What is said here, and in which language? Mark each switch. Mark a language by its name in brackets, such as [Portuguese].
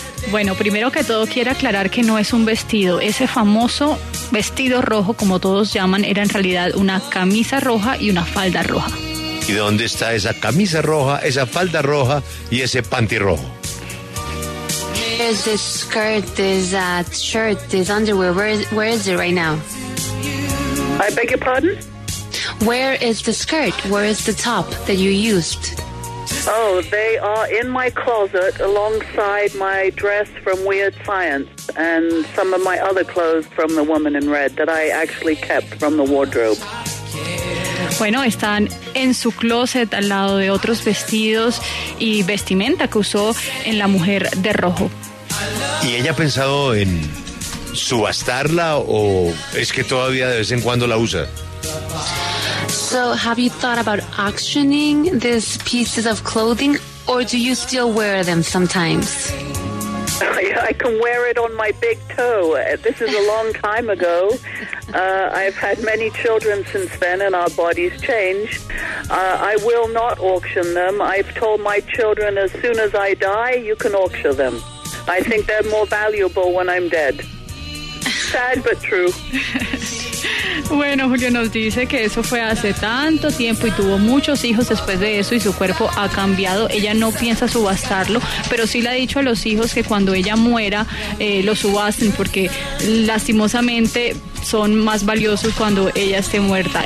[Spanish] Bueno, primero que todo, quiero aclarar que no es un vestido. Ese famoso vestido rojo, como todos llaman, era en realidad una camisa roja y una falda roja. ¿Y dónde está esa camisa roja, esa falda roja y ese panty rojo? [English] Where is this skirt, this shirt, this underwear? Where is it right now? I beg your pardon? Where is the skirt? Where is the top that you used? Oh, they are in my closet alongside my dress from Weird Science and some of my other clothes from The Woman in Red that I actually kept from the wardrobe. [Spanish] Bueno, están en su closet al lado de otros vestidos y vestimenta que usó en La Mujer de Rojo. ¿Y ella ha pensado en subastarla o es que todavía de vez en cuando la usa? [English] So, have you thought about auctioning these pieces of clothing or do you still wear them sometimes? I can wear it on my big toe. This is a long time ago. I've had many children since then and our bodies change. I will not auction them. I've told my children as soon as I die, you can auction them. I think they're more valuable when I'm dead. Sad but true. [Spanish] Bueno, Julio nos dice que eso fue hace tanto tiempo y tuvo muchos hijos después de eso y su cuerpo ha cambiado. Ella no piensa subastarlo, pero sí le ha dicho a los hijos que cuando ella muera lo subasten, porque lastimosamente son más valiosos cuando ella esté muerta.